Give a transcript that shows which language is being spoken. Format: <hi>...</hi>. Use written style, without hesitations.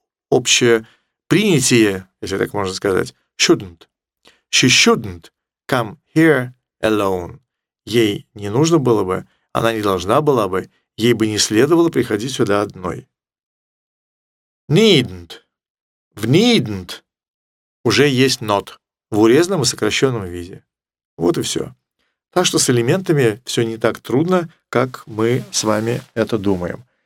<ru>Общепринятие, если так можно сказать, shouldn't.</ru> <en>She shouldn't come here alone.</en> <ru>Ей не нужно было бы, она не должна была бы, ей бы не следовало приходить сюда одной.</ru> <en>Needn't.</en> <ru>В needn't уже есть not в урезанном и сокращенном виде. Вот и все. Так что с элементами все не так трудно, как мы с вами это думаем.</ru>